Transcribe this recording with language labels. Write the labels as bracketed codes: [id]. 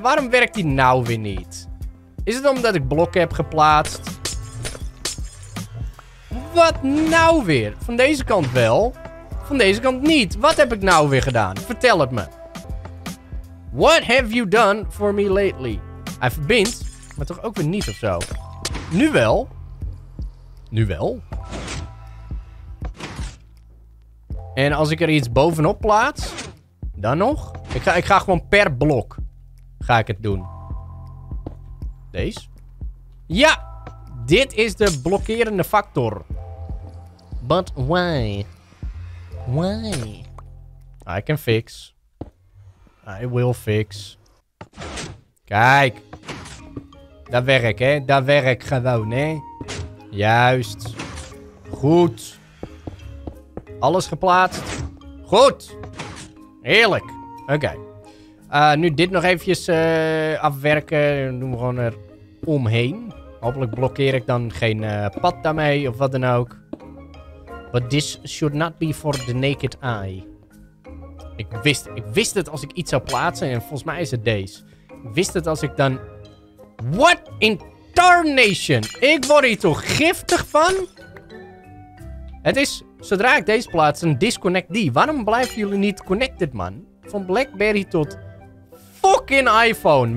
[nl] Waarom werkt die nou weer niet? Is het omdat ik blokken heb geplaatst? Wat nou weer? Van deze kant wel... Van deze kant niet. Wat heb ik nou weer gedaan? Vertel het me. [en] What have you done for me lately? [nl] Hij verbindt, maar toch ook weer niet of zo. Nu wel. Nu wel. En als ik er iets bovenop plaats, dan nog. Ik ga gewoon per blok ga ik het doen. Deze. Ja, dit is de blokkerende factor. [en] But why? Why? I can fix. I will fix. [nl] Kijk. Dat werkt, hè? Dat werkt gewoon, hè? Juist. Goed. Alles geplaatst. Goed. Heerlijk. Oké. Nu dit nog eventjes afwerken. Dan doen we gewoon er omheen. Hopelijk blokkeer ik dan geen pad daarmee of wat dan ook. [en] But this should not be for the naked eye. [nl] Ik wist het als ik iets zou plaatsen. En volgens mij is het deze. Ik wist het als ik dan... [en] What in tarnation? [nl] Ik word hier toch giftig van? Het is, zodra ik deze plaats, een disconnect die. Waarom blijven jullie niet connected, man? Van BlackBerry tot fucking iPhone.